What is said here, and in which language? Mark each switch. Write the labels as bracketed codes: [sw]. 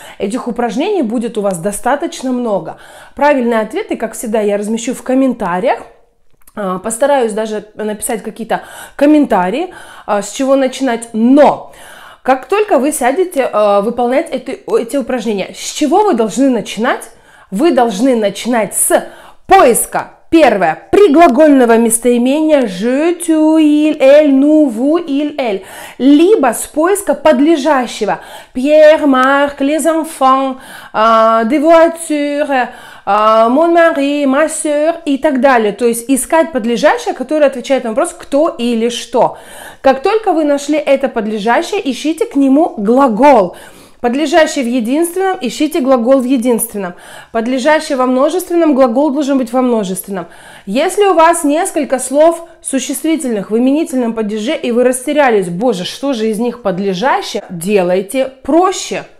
[ru] Этих упражнений будет у вас достаточно много. Правильные ответы, как всегда, я размещу в комментариях. Постараюсь даже написать какие-то комментарии, с чего начинать. Но как только вы сядете выполнять эти упражнения, с чего вы должны начинать? Вы должны начинать с поиска. Первое. Приглагольного местоимения [fr] je, tu, il, elle, nous, vous, il, elle. [ru] Либо с поиска подлежащего. [fr] Pierre, Marc, les enfants, des voitures, mon mari, ma soeur [ru] и так далее. То есть искать подлежащее, которое отвечает на вопрос кто или что. Как только вы нашли это подлежащее, ищите к нему глагол. Подлежащее в единственном, ищите глагол в единственном. Подлежащее во множественном, глагол должен быть во множественном. Если у вас несколько слов существительных в именительном падеже, и вы растерялись, боже, что же из них подлежащее, делайте проще.